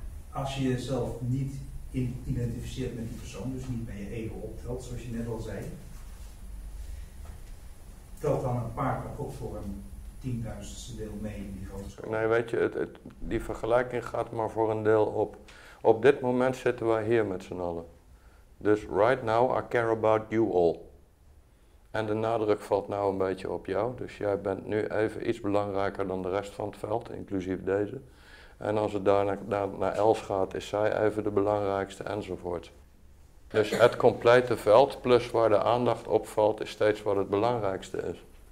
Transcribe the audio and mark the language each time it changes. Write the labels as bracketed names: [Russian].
[Dutch] Als je jezelf niet identificeert met die persoon, dus niet met je ego optelt, zoals je net al zei, telt dan een partner ook voor een 10.000ste deel mee in die grote schaal? Nee, weet je, die vergelijking gaat maar voor een deel op. Op dit moment zitten wij hier met z'n allen. Dus [English] right now I care about you all. [Dutch] En de nadruk valt nou een beetje op jou, dus jij bent nu even iets belangrijker dan de rest van het veld, inclusief deze. En als het daar naar Els gaat, is zij even de belangrijkste enzovoort. Dus het complete veld plus waar de aandacht op valt, is steeds wat het belangrijkste is.